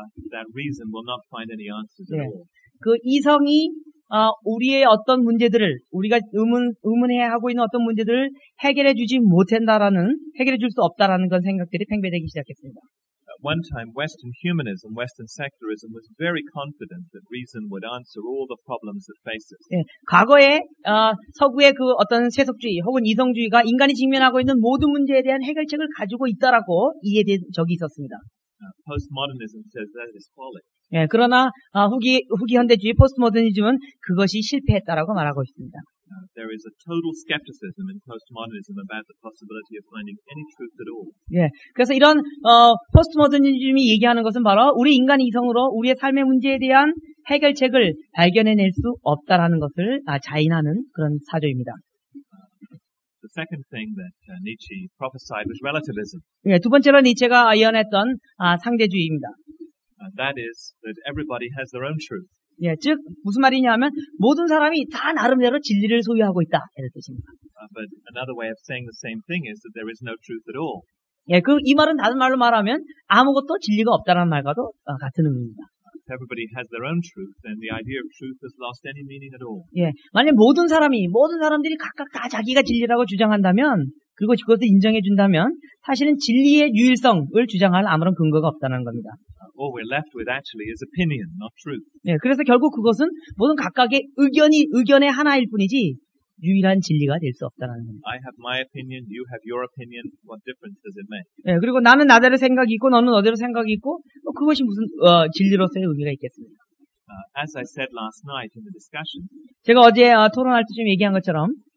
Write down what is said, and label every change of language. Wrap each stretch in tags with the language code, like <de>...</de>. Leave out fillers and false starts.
<en>That reason will not find any answers at all.</en> <ko>그 이성이 우리의 어떤 문제들을 우리가 의문해 하고 있는 어떤 문제들을 해결해 주지 못한다라는 해결해 줄 수 없다라는 건 생각들이 팽배되기 시작했습니다.</ko> <en>At one time, Western humanism, Western secularism was very confident that reason would answer all the problems that face us.</en> <ko>예, 과거에 서구의 그 어떤 세속주의 혹은 이성주의가 인간이 직면하고 있는 모든 문제에 대한 해결책을 가지고 있다라고 이해된 적이 있었습니다.</ko> <en>Postmodernism says that is folly.</en> <ko>예, 그러나 후기 현대주의 포스트모더니즘은 그것이 실패했다라고 말하고 있습니다.</ko> <en>There is a total skepticism in postmodernism about the possibility of finding any truth at all.</en> <ko>예, 그래서 이런 포스트모더니즘이 얘기하는 것은 바로 우리 인간 이성으로 우리의 삶의 문제에 대한 해결책을 발견해낼 수 없다라는 것을 자인하는 그런 사조입니다.</ko> <en>The second thing that Nietzsche prophesied was relativism.</en> <ko>예, 두 번째로 니체가 예언했던 상대주의입니다.</ko> <en>That is that everybody has their own truth.</en> <ko>예, 즉 무슨 말이냐면 모든 사람이 다 나름대로 진리를 소유하고 있다 이런 뜻입니다.</ko> <en>But another way of saying the same thing is that there is no truth at all.</en> <ko>예, 그 이 말은 다른 말로 말하면 아무것도 진리가 없다라는 말과도 같은 의미입니다.</ko> <en>If everybody has their own truth, then the idea of truth has lost any meaning at all.</en> <ko>예, 만약 모든 사람들이 각각 다 자기가 진리라고 주장한다면 그리고 그것을 인정해 준다면 사실은 진리의 유일성을 주장할 아무런 근거가 없다는 겁니다.</ko> <en>All we're left with actually is opinion, not truth.</en> <ko>네, 그래서 결국 그것은 모든 각각의 의견의 하나일 뿐이지 유일한 진리가 될 수 없다라는 겁니다.</ko> <en>I have my opinion, you have your opinion. What difference does it make?</en> <ko>네, 그리고 나는 나대로 생각이 있고 너는 너대로 생각이 있고 그것이 무슨 진리로서의 의미가 있겠습니까?</ko> <en>As I said last night in the discussion,</en> <ko>제가 어제 토론할 때 좀 얘기한 것처럼</ko>